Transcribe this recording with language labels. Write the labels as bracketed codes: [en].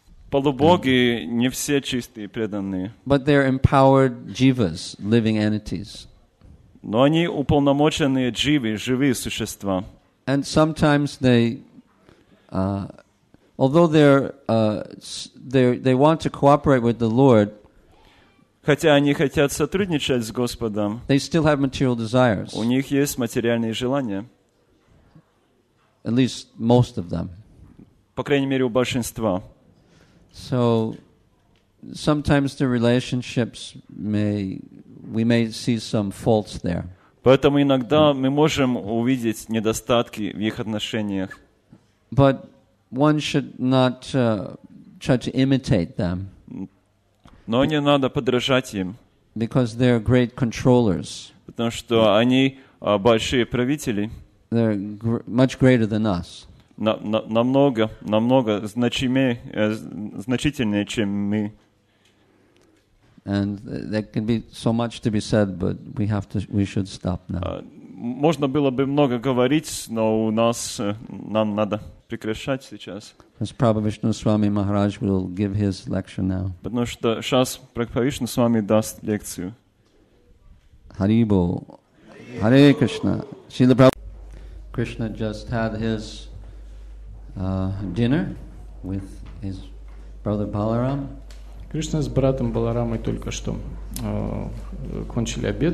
[ru] Полубоги не все чистые преданные. [en] But they're empowered jivas, living entities. [ru] Но они уполномоченные дживы, живые существа. [en] And sometimes they, although they want to cooperate with the Lord. [ru] Хотя они хотят сотрудничать с Господом. [en] They still have material desires. [ru] У них есть материальные желания. [en] At least most of them. [ru] По крайней мере у большинства. [en] So sometimes the relationships we may see some faults there. [ru] Поэтому иногда мы можем увидеть недостатки в их отношениях. [en] But one should not try to imitate them. [ru] Но не надо подражать им. [en] Because they are great controllers. [ru] Потому что они большие правители. [en] They're much greater than us. [ru] Намного значительнее, чем мы. [en] And there can be so much to be said, but we have to, we should stop now. [ru] Можно было бы много говорить, но у нас нам надо прекращать сейчас. [en] Because Prabhupada Swami Maharaj will give his lecture now. [ru] Потому что сейчас Прабхупада Свами даст лекцию. [en] Hare Bol, Hare Krishna. Srila Prabhupada. Krishna just had his dinner with his brother Balaram. [ru] Кришна с братом Баларамой только что кончили